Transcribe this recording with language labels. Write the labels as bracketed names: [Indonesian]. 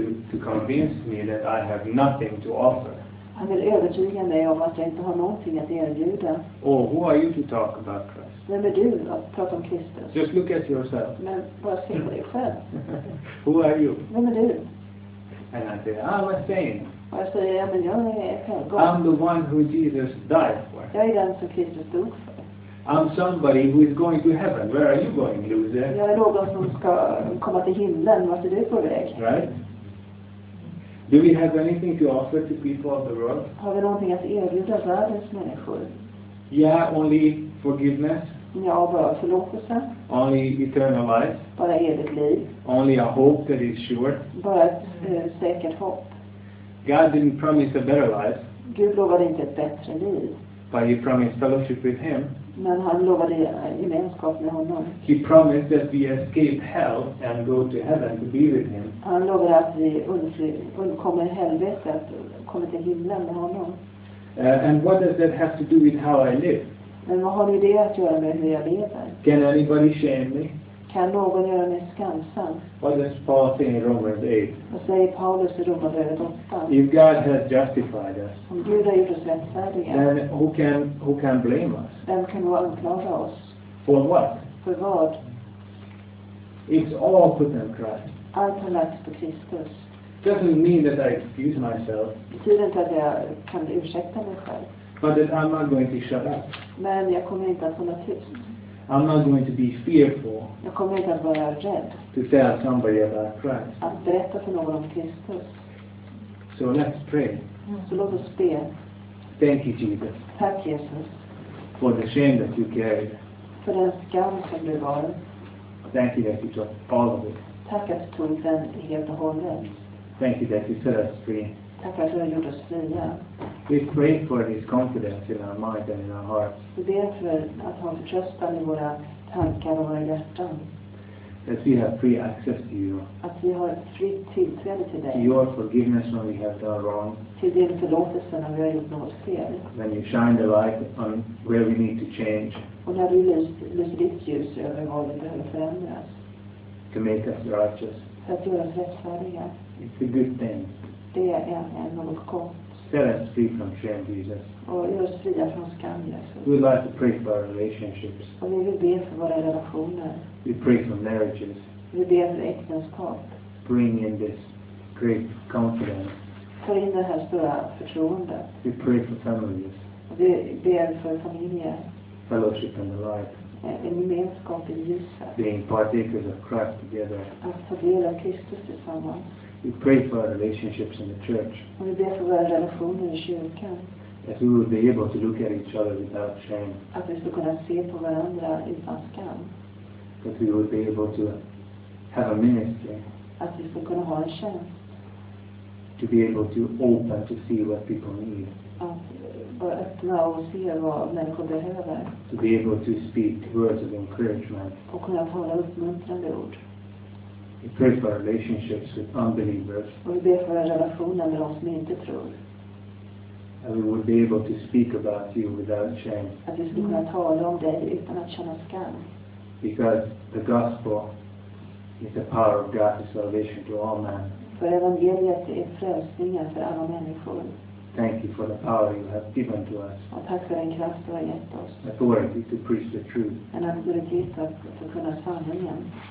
[English] To convince me that I have nothing to offer. [Swedish] Han vill övertyga mig om att jag inte har någonting att erbjuda. [English] Oh, who are you to talk about Christ? [Swedish] Vem är du att prata om Kristus? [English] Just look at yourself. [Swedish] Men bara se på dig själv. [English] Who are you? [Swedish] Vem är du? [English] And I say, I'm a saint. [Swedish] Och jag säger, ja, men jag är helgon. [English] I'm the one who Jesus died for. [Swedish] Jag är den som Kristus dog för. [English] I'm somebody who is going to heaven. Where are you going, loser? [Swedish] Jag är någon som ska komma till himlen. Vart är du på väg? [English] Right? Do we have anything to offer to people of the world? [Swedish] Har vi någonting att erbjuda världens människor? [English] Yeah, only forgiveness. [Swedish] Ja, bara förlåtelse. [English] Only eternal life. [Swedish] Bara evigt liv. [English] Only a hope that is sure. [Swedish] Bara ett säkert hopp. [English] God didn't promise a better life. [Swedish] Gud lovade inte ett bättre liv. [English] But he promised fellowship with him. [Swedish] Men han lovade gemenskap med honom. [English] He promised that we escape hell and go to heaven to be with him. [Swedish] Han lovade att vi undkommer helvetet och kommer till himlen med honom. [English] And what does that have to do with how I live? [Swedish] Men vad har det att göra med hur jag lever? [English] Can anybody shame me? [Swedish] Kan någon göra mig skamsam? [English] What does Paul say in Romans 8? [Swedish] Vad säger Paulus i Romarbrevet 8? [English] If God has justified us, [Swedish] om Gud har gjort oss rättfärdiga, [English] then who can blame us? [Swedish] Vem kan anklaga oss? [English] For what? [Swedish] För vad? [English] It's all put on Christ. [Swedish] Allt har lagts på Kristus. [English] Doesn't mean that I excuse myself. [Swedish] Betyder inte att jag kan ursäkta mig själv. [English] But that I'm not going to shut up. [Swedish] Men jag kommer inte att hålla tyst. [English] I'm not going to be fearful. [Swedish] Jag kommer inte att vara rädd. [English] To tell somebody about Christ. [Swedish] Att berätta för någon om Kristus. [English] So let's pray. [Swedish] Så låt oss be. [English] Thank you, Jesus. [Swedish] Tack Jesus. [English] For the shame that you carried. [Swedish] För den skam som du var. [English] Thank you that you took all of it. [Swedish] Tack att du tog den helt och hållet. [English] Thank you that you set us free. [Swedish] Tack att du har gjort oss fria. [English] We pray for his confidence in our mind and in our hearts. [Swedish] Vi ber för att ha förtröstan i våra tankar och våra hjärtan. [English] That we have free access to you. [Swedish] Att vi har fritt tillträde till dig. [English] To your forgiveness when we have done wrong. [Swedish] Till din förlåtelse när vi har gjort något fel. [English] When you shine the light on where we need to change. [Swedish] Och när du lyser ditt ljus över vad vi behöver förändras. [English] To make us righteous. [Swedish] För att göra oss rättfärdiga. [English] It's a good thing. [Swedish] Det är något gott. [English] Set us free from shame, Jesus. [Swedish] Och gör oss fria från skam, Jesus. [English] We would like to pray for our relationships. [Swedish] Och vi vill be för våra relationer. [English] We pray for marriages. [Swedish] Vi ber för äktenskap. [English] Bring in this great confidence. [Swedish] För in det här stora förtroendet. [English] We pray for families. [Swedish] Och vi ber för familjer. [English] Fellowship and the light. [Swedish] En gemenskap i ljuset. [English] Being partakers of Christ together. [Swedish] Att ta del av Kristus tillsammans. [English] We pray for our relationships in the church. [Swedish] Vi ber för våra relationer i kyrkan. [English] That we will be able to look at each other without shame. [Swedish] Att vi ska kunna se på varandra utan skam. [English] That we will be able to have a ministry. [Swedish] Att vi ska kunna ha en tjänst. [English] To be able to open to see what people need. [Swedish] Att vara öppna och se vad människor behöver. [English] To be able to speak words of encouragement. [Swedish] Och kunna tala uppmuntrande ord. [English] We pray for relationships with unbelievers. [Swedish] Och vi ber för relationer med de som inte tror. [English] And we would be able to speak about you without shame. [Swedish] Att vi skulle kunna tala om dig utan att känna skam. [English] Because the gospel is the power of God to salvation to all men. [Swedish] För evangeliet är frälsningen för alla människor. [English] Thank you for the power you have given to us. [Swedish] Och tack för den kraft du har gett oss. [English] Authority to preach the truth. [Swedish] En auktoritet att kunna sanningen.